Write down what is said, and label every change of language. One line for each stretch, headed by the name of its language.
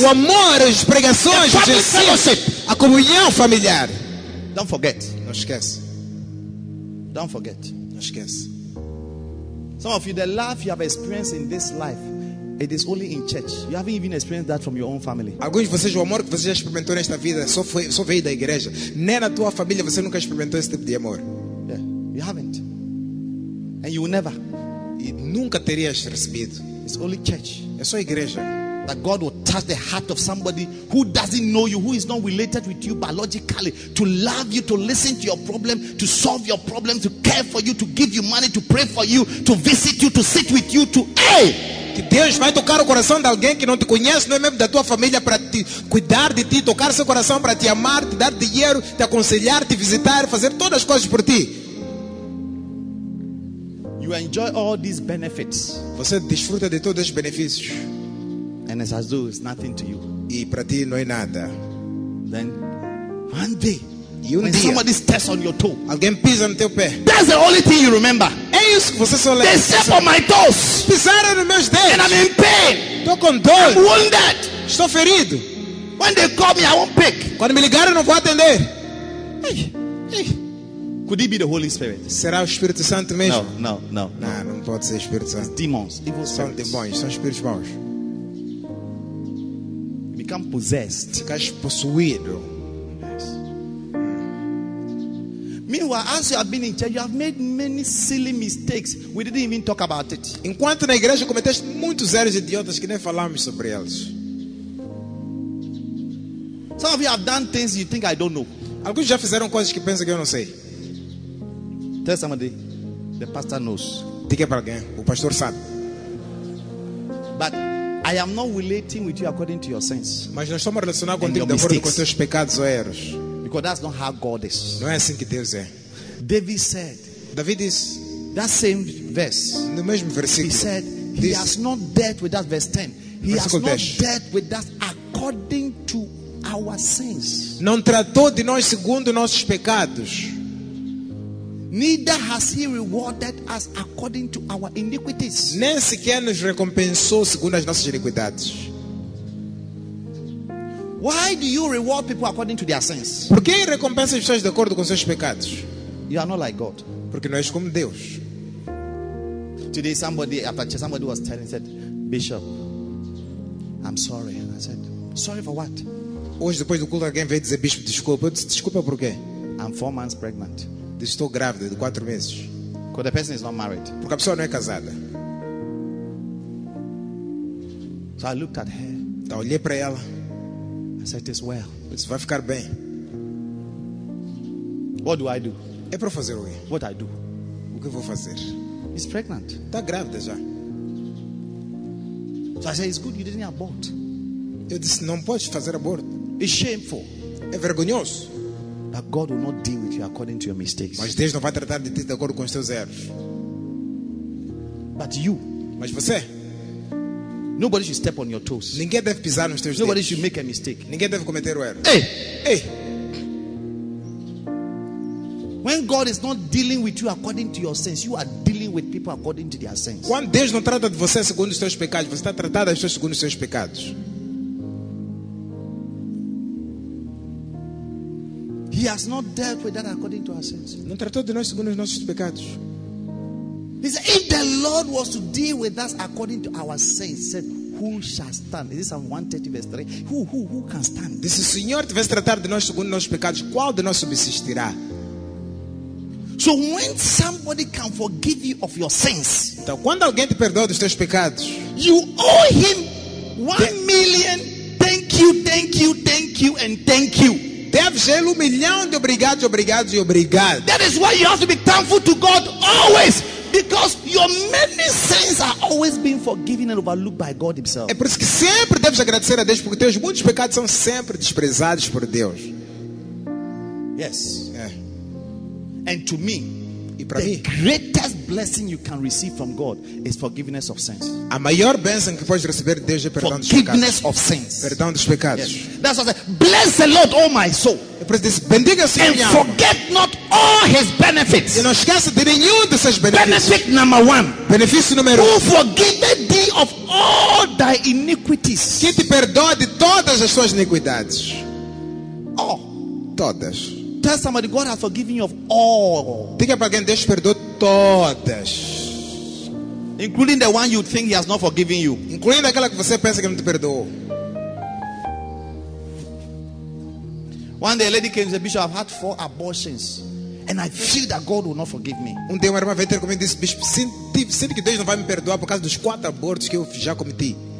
Portuguese: O amor, as pregações,
English: the family fellowship,
Portuguese: a comunhão familiar.
English: Don't forget.
Portuguese: Não esquece.
English: Don't forget.
Portuguese: Não esquece.
English: Some of you, the love you have experienced in this life, it is only in church. You haven't even experienced that from your own family.
Portuguese: Alguns de vocês, o amor que você já experimentou nesta vida só veio da igreja. Nem na tua família você nunca experimentou esse tipo de amor.
English: Yeah, you haven't. And you will never.
Portuguese: E nunca terias recebido.
English: It's only church.
Portuguese: É só igreja.
English: That God will touch the heart of somebody who doesn't know you, who is not related with you biologically, to love you, to listen to your problem, to solve your problem, to care for you, to give you money, to pray for you, to visit you, to sit with you, to
Portuguese: Que Deus vai tocar o coração de alguém que não te conhece, não é mesmo da tua família, para te cuidar de ti, tocar seu coração, para te amar, te dar dinheiro, te aconselhar, te visitar, fazer todas as coisas por ti.
English: You enjoy all these benefits.
Portuguese: Você desfruta de todos os benefícios.
English: And as I do, it's nothing to you.
Portuguese: E para ti não é nada.
English: Then one day,
Portuguese: e um
English: when
Portuguese: dia,
English: somebody steps on your toe,
Portuguese: alguém pisa no teu pé.
English: That's the only thing you remember.
Portuguese: É isso que você só lembra.
English: They step on my toes.
Portuguese: Pisaram nos meus dedos.
English: And I'm in pain.
Portuguese: Tô com dor.
English: I'm wounded.
Portuguese: Estou ferido.
English: When they call me, I won't pick.
Portuguese: Quando me ligaram, não vou atender.
English: Hey, hey. Could it be the Holy Spirit?
Portuguese: Será o Espírito Santo mesmo? Não. Não pode ser o Espírito Santo.
English: It's demons. Evil
Portuguese: são demônios. São espíritos bons.
English: Become possessed.
Portuguese: Ficas possuído.
English: Meanwhile, as you have been in church, you have made many silly mistakes. We didn't even talk about it.
Portuguese: Enquanto na igreja cometeste muitos erros idiotas que nem falamos sobre eles.
English: Some of you have done things you think I don't know.
Portuguese: Alguns já fizeram coisas que pensam que eu não sei.
English: Tell somebody, the pastor knows.
Portuguese: Diga para alguém, o pastor sabe.
English: But I am not relating with you according to your sins.
Portuguese: Mas não estou me relacionando contigo de acordo com teus pecados ou erros.
English: Because that's not how God is.
Portuguese: Não é assim que Deus é.
English: David said. David is that same verse.
Portuguese: No mesmo versículo.
English: He said he this, has not dealt with us, verse 10. He has not dealt with us according to our sins.
Portuguese: Não tratou de nós segundo nossos pecados.
English: Neither has he rewarded us according to our iniquities.
Portuguese: Nem sequer nos recompensou segundo as nossas iniquidades.
English: Why do you reward people according to their sins?
Portuguese: Por que recompensa as pessoas de acordo com seus pecados?
English: You are not like God.
Portuguese: Porque não és como Deus.
English: Today somebody after church somebody was telling said, Bishop, I'm sorry. I said, sorry for what?
Portuguese: Hoje depois do culto alguém veio dizer, Bishop, desculpa. Eu disse, desculpa por quê?
English: I'm 4 months pregnant.
Portuguese: Estou grávida de 4 meses.
English: Because the person is not married.
Portuguese: Porque a pessoa não é casada.
English: So I looked at her.
Portuguese: Então olhei para ela.
English: I said, "It's well."
Portuguese: Isso vai ficar bem.
English: What do I do?
Portuguese: É para fazer o quê?
English: What I do?
Portuguese: O que eu vou fazer?
English: He's pregnant.
Portuguese: Está grávida já.
English: So I said, "It's good you didn't abort."
Portuguese: Eu disse, não pode fazer aborto.
English: It's shameful.
Portuguese: É vergonhoso.
English: But God will not deal with you according to your mistakes.
Portuguese: Mas Deus não vai tratar de ti de acordo com os teus erros.
English: But you.
Portuguese: Mas você.
English: Nobody should step on your toes.
Portuguese: Ninguém deve pisar nos teus
English: Nobody
Portuguese: dedos.
English: Nobody should make a mistake.
Portuguese: Ninguém deve cometer um erro. Hey, hey.
English: When God is not dealing with you according to your sins, you are dealing with people according to their sins.
Portuguese: Quando Deus não trata de você segundo os teus pecados, você está tratando as pessoas segundo os seus pecados.
English: He has not dealt with that according to our sins.
Portuguese: Não tratou de nós segundo os nossos pecados.
English: He said, if the Lord was to deal with us according to our sins, said, who shall stand? Is this Psalm 130 verse 3? Who can stand?
Portuguese: Diz, se o Senhor tivesse tratado de nós segundo os nossos pecados, qual de nós subsistirá?
English: So when somebody can forgive you of your sins,
Portuguese: então, quando alguém te perdoa dos teus pecados,
English: you owe him 1 million thank you, thank you, thank you, and thank you.
Portuguese: Deves ele 1 milhão de obrigados, obrigados e obrigado.
English: That is why you have to be thankful to God always. Because your many sins are always being forgiven and overlooked by God himself.
Portuguese: É por isso que sempre deves agradecer a Deus, porque teus muitos pecados são sempre desprezados por Deus.
English: Yes.
Portuguese: É.
English: And to me,
Portuguese: e para
English: the
Portuguese: mim,
English: greatest blessing you can receive from God is forgiveness of sins.
Portuguese: A maior bênção que podes receber de Deus é perdão dos pecados.
English: Forgiveness of sins.
Portuguese: Perdão dos pecados.
English: Yes. That's what I said. Bless the Lord, oh my soul.
Portuguese: É por isso que diz, bendiga o Senhor.
English: And forget not all his benefits.
Portuguese: E não esqueça de nenhum dos seus benefícios.
English: Benefit number one.
Portuguese: Benefício número 1.
English: Who forgiveth thee of all thy iniquities.
Portuguese: Que te perdoa de todas as suas iniquidades. Oh. Todas.
English: Tell somebody God has forgiven you of all.
Portuguese: Diga para alguém, Deus perdoou todas.
English: Including the one you think he has not forgiven you.
Portuguese: Incluindo aquela que você pensa que não te perdoou.
English: One day a lady came and said, Bishop, I've had 4 abortions and I feel that God will not forgive me.
Portuguese: Um dia uma irmã veio ter comigo e disse, Bishop, sinto que Deus não vai me perdoar por causa dos 4 abortos que eu já cometi.